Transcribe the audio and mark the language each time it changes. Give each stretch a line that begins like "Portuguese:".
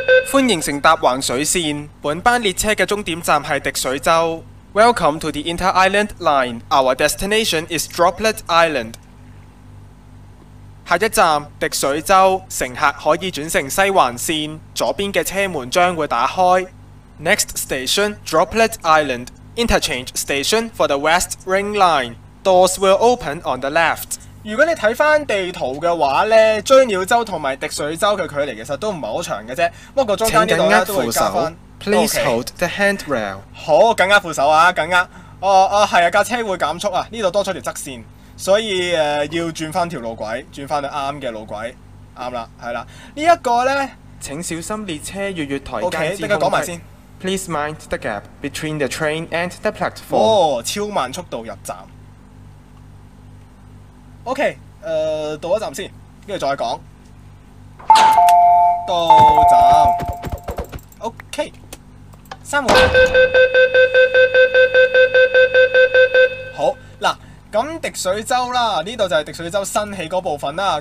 Cantonese: 欢迎乘搭环水线，本班列车嘅终点站系滴水洲。
English: Welcome to the Inter-Island Line. Our destination is Droplet Island.
Cantonese: 下一站滴水洲，乘客可以转乘西环线，左边的车门将会打开。
English: Next station, Droplet Island. Interchange station for the West Ring Line. Doors will open on the left.
Cantonese: 如果你睇翻地图嘅话咧，追鸟洲同埋滴水洲嘅距离其实都唔系好长嘅啫。不过中间呢度咧都会加翻。
English: Please hold the handrail。
Cantonese: 好，紧握扶手啊，紧握。哦，系啊，架车会减速啊，呢度多咗条侧线，所以要转翻条路轨，转翻去啱嘅路轨，啱啦，系啦。呢一个咧，请小心列车越越台。 O K， 即刻讲埋先。
English: Please mind the gap between the train and the platform。
Cantonese: 哦，超慢速度入站。 OK， 到一站先，跟住再讲。到站。OK， 三号。好，嗱，咁滴水洲啦，呢度就系滴水洲新起嗰部分啦。